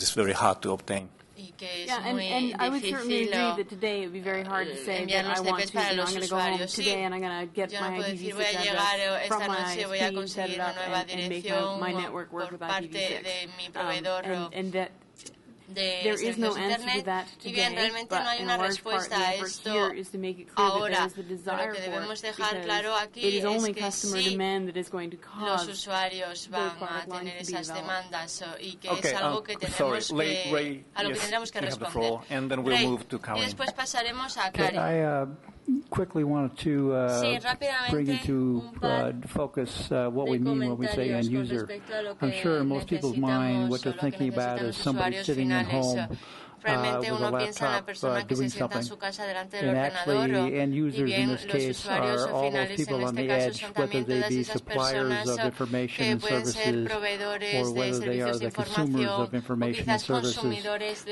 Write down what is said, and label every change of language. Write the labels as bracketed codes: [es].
[en] It's very hard to obtain. Yeah, and I would certainly agree that today it would be very hard to say that I want to. I'm going to go home today and I'm going to get my IPv6 set up and make my network work with IPv6. [es] de centros de Internet. Y bien, realmente no hay una respuesta a esto ahora. Lo que debemos dejar claro aquí es que sí, los usuarios van a tener esas demandas y que es algo que tenemos que, a lo que tendremos que responder. Ray, y después pasaremos a Karin. [en] Quickly wanted to bring into focus what we mean when we say end user. I'm sure in most people's mind what they're thinking about is somebody sitting at home with a laptop doing something. And actually, end users in this case are all those people on the edge, whether they be suppliers of information and services or whether they are the consumers of information and services.